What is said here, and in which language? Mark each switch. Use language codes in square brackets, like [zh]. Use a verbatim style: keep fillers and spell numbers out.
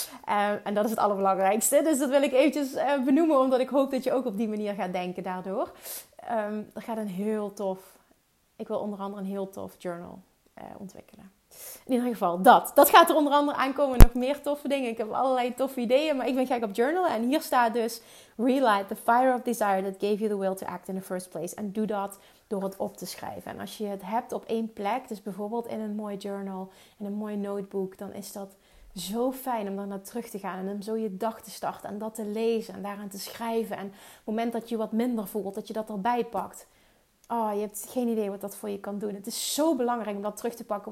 [nl] Uh, en dat is het allerbelangrijkste, dus dat wil ik eventjes uh, benoemen, omdat ik hoop dat je ook op die manier gaat denken daardoor. Um, er gaat een heel tof, ik wil onder andere een heel tof journal uh, ontwikkelen. In ieder geval, dat. Dat gaat er onder andere aankomen, nog meer toffe dingen. Ik heb allerlei toffe ideeën, maar ik ben gek op journalen. En hier staat dus, [en] relight the fire of desire that gave you the will to act in the first place. [nl] En doe dat door het op te schrijven. En als je het hebt op één plek, dus bijvoorbeeld in een mooi journal, in een mooi notebook, dan is dat zo fijn om daar naar terug te gaan en om zo je dag te starten en dat te lezen en daaraan te schrijven. En op het moment dat je wat minder voelt, dat je dat erbij pakt. Oh, je hebt geen idee wat dat voor je kan doen. Het is zo belangrijk om dat terug te pakken.